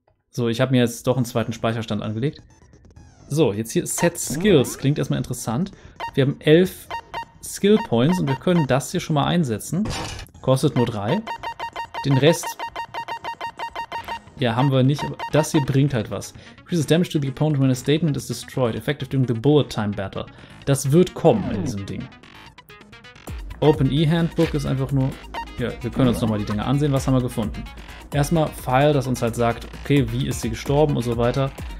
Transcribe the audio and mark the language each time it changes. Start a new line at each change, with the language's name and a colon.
German: So, ich habe mir jetzt doch einen zweiten Speicherstand angelegt. So, jetzt hier Set Skills. Klingt erstmal interessant. Wir haben 11 Skill Points und wir können das hier schon mal einsetzen. Kostet nur 3. Den Rest, ja, haben wir nicht, aber das hier bringt halt was.
English: Increases damage to the opponent when a statement is destroyed. Effective during the bullet time battle.
German: Das wird kommen in diesem Ding. Open E-Handbook ist einfach nur, ja, wir können uns nochmal die Dinge ansehen. Was haben wir gefunden? Erstmal File, das uns halt sagt, okay, wie ist sie gestorben und so weiter.